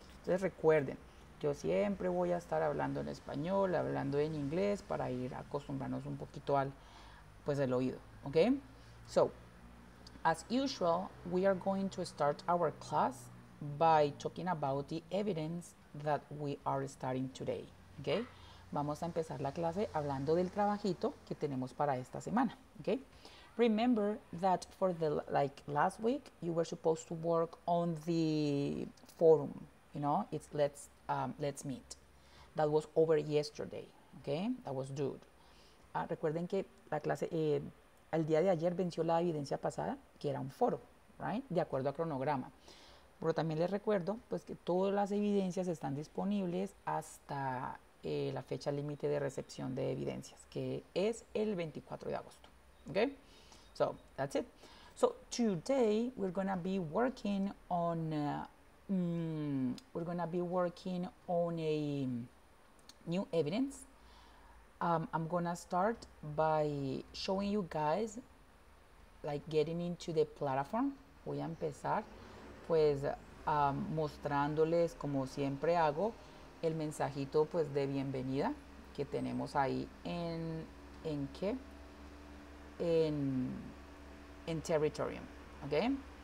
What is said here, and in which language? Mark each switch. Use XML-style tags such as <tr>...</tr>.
<es>Entonces recuerden, yo siempre voy a estar hablando en español, hablando en inglés para ir acostumbrarnos un poquito al, pues el oído, okay?</es> <en>So as usual, we are going to start our class by talking about the evidence that we are starting today, okay?</en> <es>Vamos a empezar la clase hablando del trabajito que tenemos para esta semana, okay?</es> <en>Remember that for the like last week, you were supposed to work on the forum, you know? It's let's meet. That was over yesterday, okay? That was due.</en> <es>Recuerden que la clase, el día de ayer venció la evidencia pasada, que era un foro, right? De acuerdo a cronograma. Pero también les recuerdo pues, que todas las evidencias están disponibles hasta la fecha límite de recepción de evidencias, que es el 24 de agosto.</es> <en>Okay? So, that's it. So, today we're going to be working on a new evidence. I'm going to start by showing you guys like getting into the platform.</en> <es>Voy a empezar pues mostrándoles, como siempre hago, el mensajito pues de bienvenida que tenemos ahí en Territorium, okay?</es>